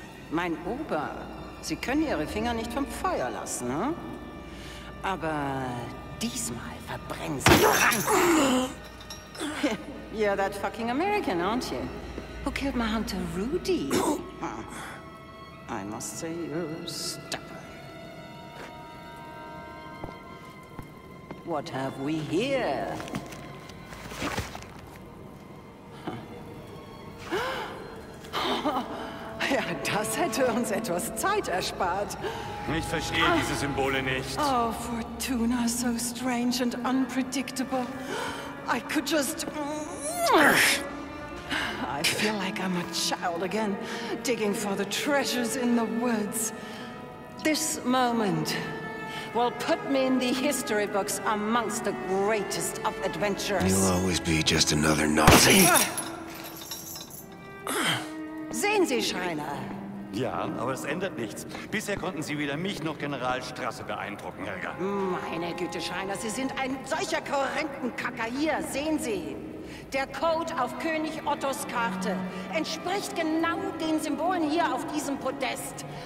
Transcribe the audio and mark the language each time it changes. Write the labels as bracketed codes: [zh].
[de] Mein Ober, Sie können Ihre Finger nicht vom Feuer lassen, ne? Aber diesmal verbrennen Sie die Rank. [en] You're that fucking American, aren't you? Who killed my hunter Rudy? I must say you're stubborn. What have we here? [de] Das hätte uns etwas Zeit erspart. Ich verstehe diese Symbole nicht. [en] Oh, Fortuna, so strange and unpredictable. I could just... I feel like I'm a child again, digging for the treasures in the woods. This moment, will put me in the history books amongst the greatest of adventurers. You'll always be just another Nazi. [de] Sehen Sie, Schreiner. Ja, aber es ändert nichts. Bisher konnten Sie weder mich noch General Strasse beeindrucken, Helga. Meine Güte, Schreiner, Sie sind ein solcher Korrentenkacker. Hier, sehen Sie. Der Code auf König Ottos Karte entspricht genau den Symbolen hier auf diesem Podest.